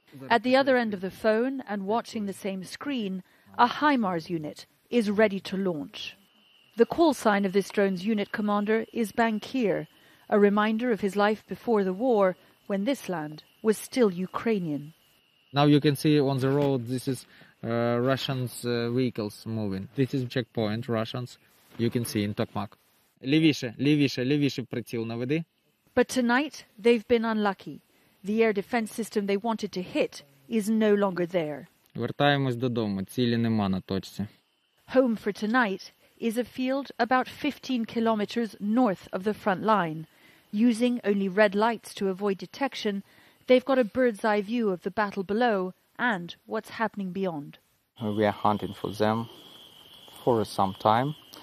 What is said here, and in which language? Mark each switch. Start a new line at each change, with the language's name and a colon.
English: At the other end of the phone and watching the same screen, a HIMARS unit is ready to launch. The call sign of this drone's unit commander is Bankir, a reminder of his life before the war when this land was still Ukrainian. Now you can see on the road, this is Russians vehicles moving. This is checkpoint, Russians. You can see in Tokmak.
Ukrainian: Лівіше, лівіше, лівіше приціл наведи.
English: But tonight, they've been unlucky. The air defense system they wanted to hit is no longer there.
Ukrainian: Вертаємось додому, цілі нема на точці.
English: Home for tonight is a field about 15 kilometers north of the front line. Using only red lights to avoid detection, they've got a bird's eye view of the battle below and what's happening beyond. We are hunting for them for some time.